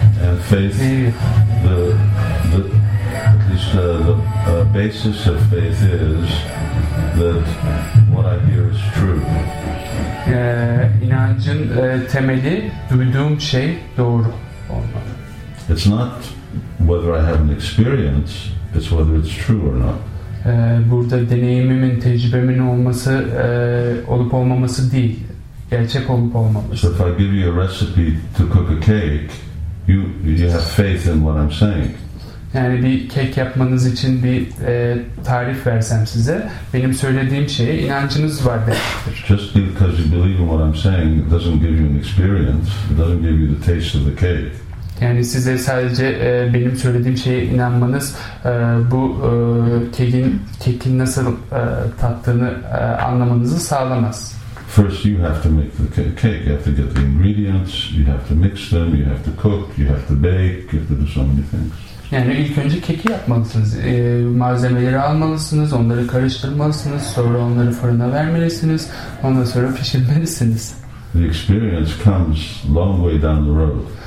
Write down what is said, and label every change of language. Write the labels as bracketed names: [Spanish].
[English] And faith, the basis of faith is that what I hear is true. [Turkish] İnancın temeli duyduğum şey doğru olmalı. [English] It's not whether I have an experience, it's whether it's true or not. [Turkish] Burada deneyimimin, tecrübemin olması olup olmaması değil, gerçek olup olmaması. [English] So if I give you a recipe to cook a cake, You have faith in what I'm saying. [Turkish] Yani bir kek yapmanız için bir tarif versem size, benim söylediğim şeye inancınız var demektir. [English] Just because you believe in what I'm saying, it doesn't give you an experience. It doesn't give you the taste of the cake. [Turkish] Yani size sadece benim söylediğim şeye inanmanız bu kekin nasıl tattığını anlamanızı sağlamaz. [English] First you have to make the cake, you have to get the ingredients, you have to mix them, you have to cook, you have to bake, you have to do so many things. [Turkish] Yani ilk önce keki yapmalısınız, malzemeleri almalısınız, onları karıştırmalısınız, sonra onları fırına vermelisiniz, ondan sonra pişirmelisiniz. [English] The experience comes long way down the road.